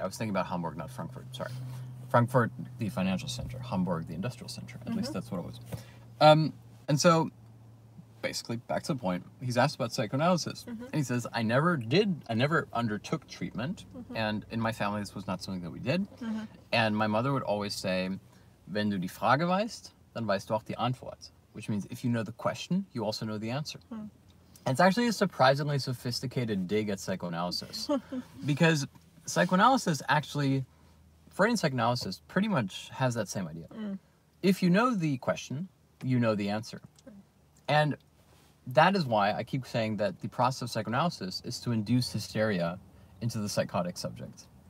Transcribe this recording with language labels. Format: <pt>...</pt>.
<en>I was thinking about Hamburg, not Frankfurt, sorry. Frankfurt, the financial center. Hamburg, the industrial center. At least that's what it was. And so, basically, back to the point, he's asked about psychoanalysis. And he says, I never undertook treatment. And in my family, this was not something that we did. And my mother would always say,</en> <de>wenn du die Frage weißt, dann weißt du auch die Antwort.</de> <en>Which means, if you know the question, you also know the answer. It's actually a surprisingly sophisticated dig at psychoanalysis. Because psychoanalysis actually, Freudian psychoanalysis pretty much has that same idea. If you know the question, you know the answer. And that is why I keep saying that the process of psychoanalysis is to induce hysteria into the psychotic subject.</en>